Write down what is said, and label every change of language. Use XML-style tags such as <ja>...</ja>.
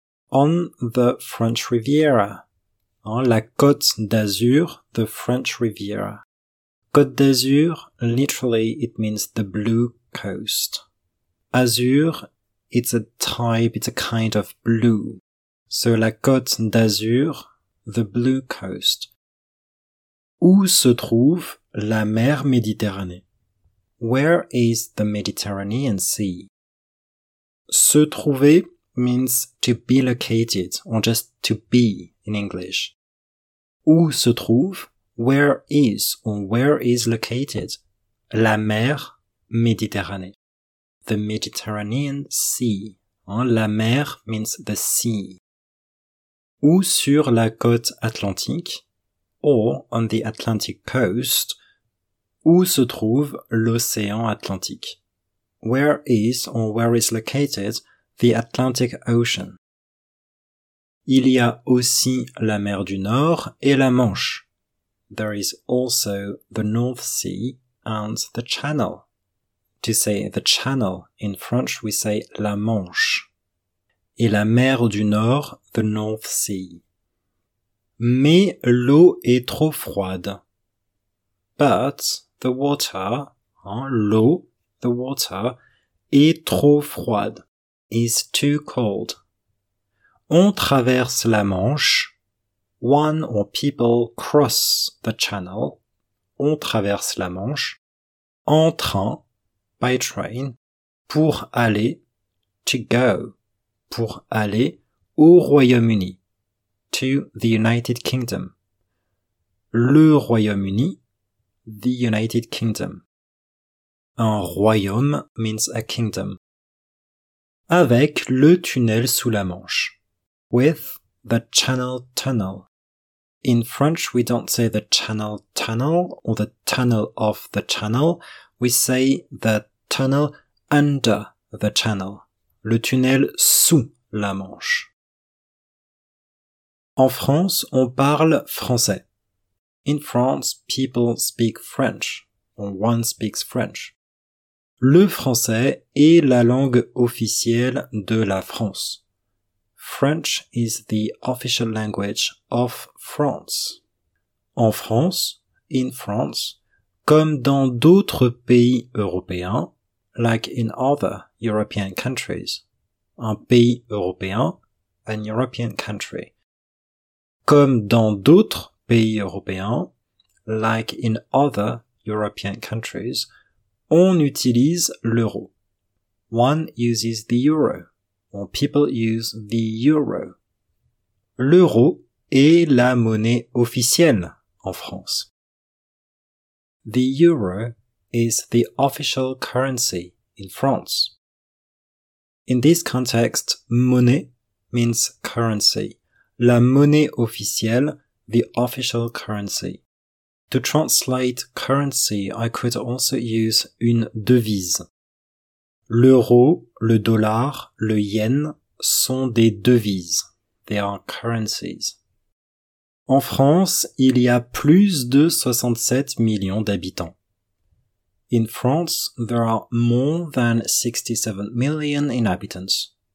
<en>On the French Riviera. Hein, la Côte d'Azur, the French Riviera. Côte d'Azur, literally, it means the blue coast. Azur, it's a type, it's a kind of blue. So, la Côte d'Azur, the blue coast.</en> <fr>Où se trouve la mer Méditerranée?</fr> <en>Where is the Mediterranean Sea?</en> <fr>Se trouver</fr> <en>means to be located, or just to be in English.</en> <fr>Où se trouve,</fr> <en>where is, or where is located,</en> <fr>la mer Méditerranée?</fr> <en>The Mediterranean Sea.</en> <fr>Hein, la mer</fr> <en>means the sea.</en> <fr>ou sur la côte atlantique,</fr> <en>or on the Atlantic coast,</en> <fr>où se trouve l'océan Atlantique.</fr> <en>Where is or where is located the Atlantic Ocean?</en> <fr>Il y a aussi la mer du Nord et la Manche.</fr> <en>There is also the North Sea and the Channel. To say the Channel in French, we say la Manche.</en> <fr>Et la mer du Nord,</fr> <en>the North Sea.</en> <fr>Mais l'eau est trop froide.</fr> <en>But the water, hein, l'eau, the water,</en> <fr>est trop froide,</fr> <en>is too cold.</en> <fr>On traverse la Manche.</fr> <en>One or people cross the channel.</en> <fr>On traverse la Manche. En train,</fr> <en>by train,</en> <fr>pour aller,</fr> <en>to go,</en> <fr>pour aller au Royaume-Uni,</fr> <en>to the United Kingdom.</en> <fr>Le Royaume-Uni,</fr> <en>the United Kingdom.</en> <fr>Un royaume</fr> <en>means a kingdom.</en> <fr>Avec le tunnel sous la Manche.</fr> <en>With the Channel Tunnel. In French, we don't say the Channel Tunnel or the Tunnel of the Channel. We say the tunnel under the channel.</en> <fr>Le tunnel sous la Manche. En France, on parle français.</fr> <en>In France, people speak French. One speaks French.</en> <fr>Le français est la langue officielle de la France.</fr> <en>French is the official language of France.</en> <fr>En France,</fr> <en>in France,</en> <fr>comme dans d'autres pays européens,</fr> <en>like in other European countries,</en> <fr>un pays européen,</fr> <en>an European country.</en> <fr>Comme dans d'autres pays européens,</fr> <en>like in other European countries,</en> <fr>on utilise l'euro.</fr> <en>One uses the euro. Or people use the euro.</en> <fr>L'euro est la monnaie officielle en France.</fr> <en>The euro is the official currency in France. In this context, monnaie means currency.</en> <fr>La monnaie officielle,</fr> <en>the official currency. To translate currency, I could also use</en> <fr>une devise. L'euro, le dollar, le yen sont des devises.</fr> <en>They are currencies.</en> <fr>En France, il y a plus de 67 millions d'habitants.</fr> <en>In France, there are more than 67 million inhabitants.</en>